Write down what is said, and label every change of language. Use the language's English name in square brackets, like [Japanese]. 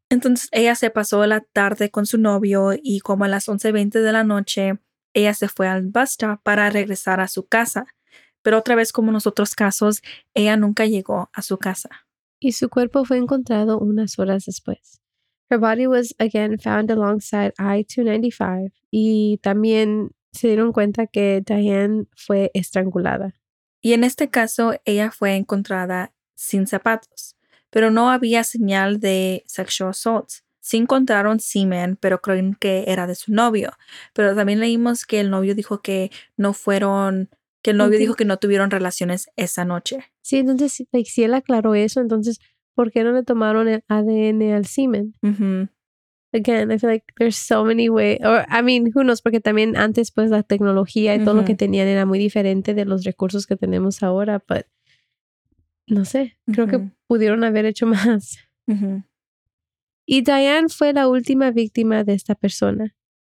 [Spanish] Entonces ella se pasó la tarde con su novio y como a las 11:20 de la noche, ella se fue al bus stop para regresar a su casa. Pero otra vez, como en los otros casos, ella nunca llegó a su casa. Y su cuerpo fue encontrado unas horas después. [English] Her body was again found alongside I-295. [Spanish] Y también se dieron cuenta que Diane fue estrangulada. Y en este caso, ella fue encontrada sin zapatos. Pero no había señal de [English] sexual assault. [Spanish] Sí encontraron semen, pero creen que era de su novio. Pero también leímos que el novio dijo que no fueron... Que el novio entonces, dijo que no tuvieron relaciones esa noche. Sí, entonces si él aclaró eso, entonces, ¿por qué no le tomaron el ADN al semen? Uh-huh. [English] Again, I feel like there's so many ways. Or, I mean, who knows, [Spanish] porque también antes pues la tecnología y uh-huh. todo lo que tenían era muy diferente de los recursos que tenemos ahora, but no sé, creo uh-huh. que pudieron haber hecho más. Uh-huh. Y Diane fue la última víctima de esta persona.